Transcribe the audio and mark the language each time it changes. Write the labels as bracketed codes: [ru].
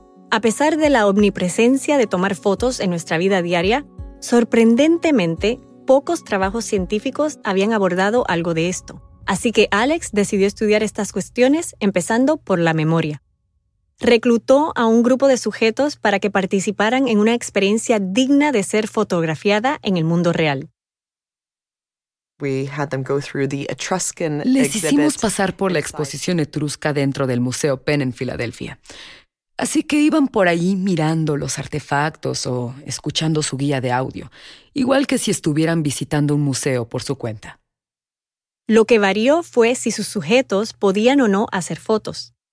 [es] A pesar de la omnipresencia de tomar fotos en nuestra vida diaria, sorprendentemente, pocos trabajos científicos habían abordado algo de esto. Así que Alex decidió estudiar estas cuestiones empezando por la memoria. Reclutó a un grupo de sujetos para que participaran en una experiencia digna de ser fotografiada en el mundo real. [en] We had them go through the Etruscan exhibit. [es] Les hicimos pasar por la exposición etrusca dentro del Museo Penn en Filadelfia. Así que iban por ahí mirando los artefactos o escuchando su guía de audio, igual que si estuvieran visitando un museo por su cuenta. Lo que varió fue si sus sujetos podían o no hacer fotos.